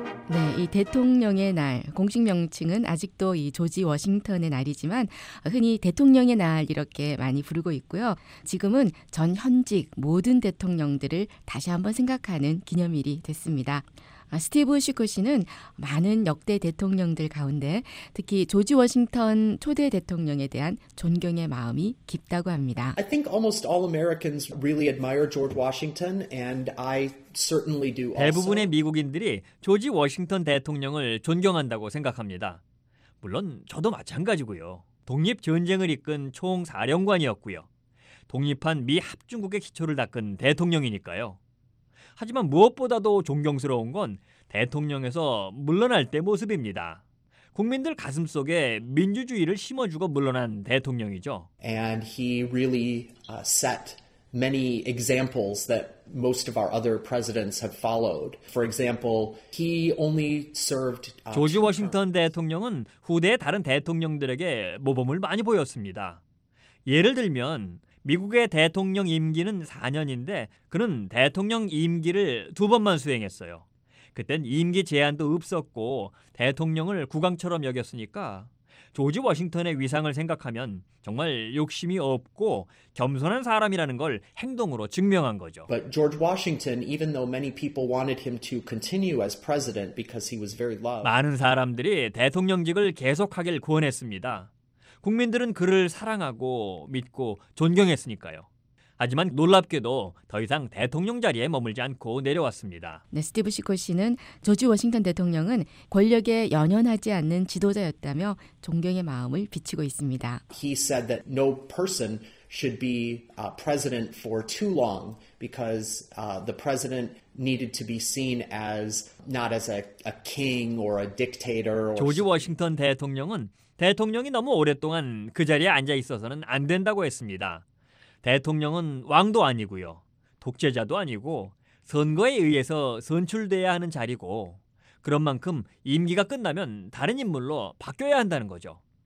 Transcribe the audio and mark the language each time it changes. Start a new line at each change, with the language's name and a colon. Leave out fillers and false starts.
Korean: 네, 이 대통령의 날 공식 명칭은 아직도 이 조지 워싱턴의 날이지만 흔히 대통령의 날 이렇게 많이 부르고 있고요. 지금은 전 현직 모든 대통령들을 다시 한번 생각하는 기념일이 됐습니다. 스티브 슈커 씨는 많은 역대 대통령들 가운데 특히 조지 워싱턴 초대 대통령에 대한 존경의 마음이 깊다고 합니다.
English: I think almost all Americans really admire George Washington and I certainly do also.
Korean: 대부분의 미국인들이 조지 워싱턴 대통령을 존경한다고 생각합니다. 물론 저도 마찬가지고요. 독립 전쟁을 이끈 총사령관이었고요. 독립한 미 합중국의 기초를 닦은 대통령이니까요. 하지만 무엇보다도 존경스러운 건 대통령에서 물러날 때 모습입니다. 국민들 가슴 속에 민주주의를 심어주고 물러난 대통령이죠.
English: And he really set many examples that most of our other presidents have followed. For example, he only served
Korean: 조지 워싱턴 대통령은 후대의 다른 대통령들에게 모범을 많이 보였습니다. 예를 들면 미국의 대통령 임기는 4년인데 그는 대통령 임기를 두 번만 수행했어요. 그땐 임기 제한도 없었고 대통령을 국왕처럼 여겼으니까 조지 워싱턴의 위상을 생각하면 정말 욕심이 없고 겸손한 사람이라는 걸 행동으로 증명한 거죠.
English: But George Washington, even though many people wanted him to continue as president because he was very loved.
Korean: 많은 사람들이 대통령직을 계속하길 구원했습니다. 국민들은 그를 사랑하고 믿고 존경했으니까요. 하지만 놀랍게도 더 이상 대통령 자리에 머물지 않고 내려왔습니다. 네, 스티브 시코 씨는 조지 워싱턴 대통령은 권력에 연연하지 않는 지도자였다며 존경의 마음을 비치고 있습니다.
English: He said that no person should be president for too long because the president needed to be seen as not as a king or a dictator.
Korean: 조지 워싱턴 대통령은 대통령이 너무 오랫동안 그 자리에 앉아 있어서는 안 된다고 했습니다. 대통령은 왕도 아니고요. 독재자도 아니고 선거에 의해서 선출돼야 하는 자리고 그런 만큼 임기가 끝나면 다른 인물로 바뀌어야 한다는 거죠.